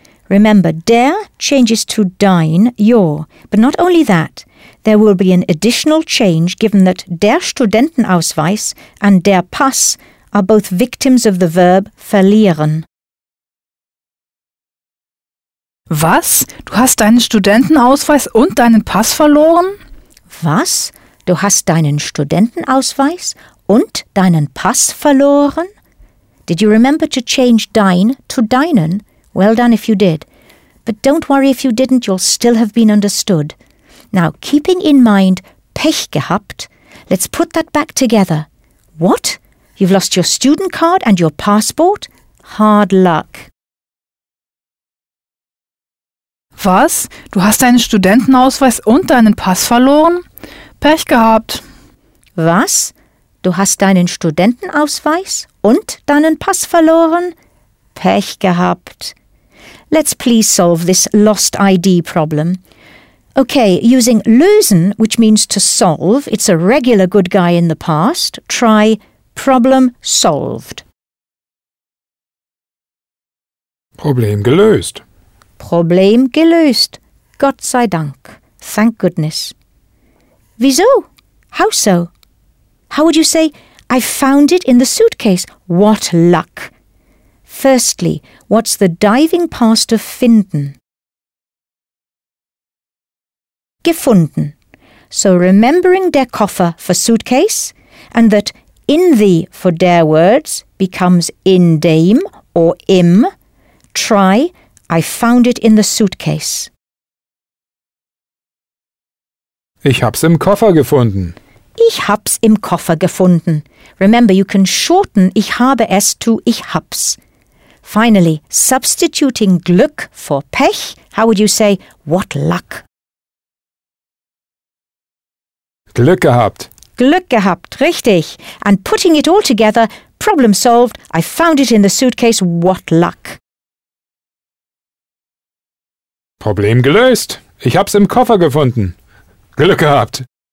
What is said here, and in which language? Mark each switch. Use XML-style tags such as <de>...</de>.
<en>Remember, der changes to dein, your. But not only that, there will be an additional change given that der Studentenausweis and der Pass are both victims of the verb verlieren.</en> <de>Was? Du hast deinen Studentenausweis und deinen Pass verloren? Was? Du hast deinen Studentenausweis und deinen Pass verloren?</de> <en>Did you remember to change dein to deinen? Well done if you did. But don't worry if you didn't, you'll still have been understood. Now, keeping in mind</en> <de>Pech gehabt,</de> <en>let's put that back together. What? You've lost your student card and your passport? Hard luck.</en> <de>Was? Du hast deinen Studentenausweis und deinen Pass verloren? Pech gehabt. Was? Du hast deinen Studentenausweis und deinen Pass verloren? Pech gehabt.</de> <en>Let's please solve this lost ID problem. Okay, using lösen, which means to solve, it's a regular good guy in the past. Try problem solved.</en> <de>Problem gelöst. Problem gelöst. Gott sei Dank.</de> <en>Thank goodness.</en> <de>Wieso?</de> <en>How so? How would you say, I found it in the suitcase? What luck! Firstly, what's the diving past of finden? Gefunden. So remembering der Koffer for suitcase, and that in the for der words becomes in dem or im, try, I found it in the suitcase.</en> <de>Ich hab's im Koffer gefunden. Ich hab's im Koffer gefunden.</de> <en>Remember, you can shorten</en> <de>ich habe es to ich hab's.</de> <en>Finally, substituting Glück for Pech, how would you say what luck?</en> <de>Glück gehabt. Glück gehabt, richtig.</de> <en>And putting it all together, problem solved, I found it in the suitcase, what luck.</en> <de>Problem gelöst. Ich hab's im Koffer gefunden. Glück gehabt.</de>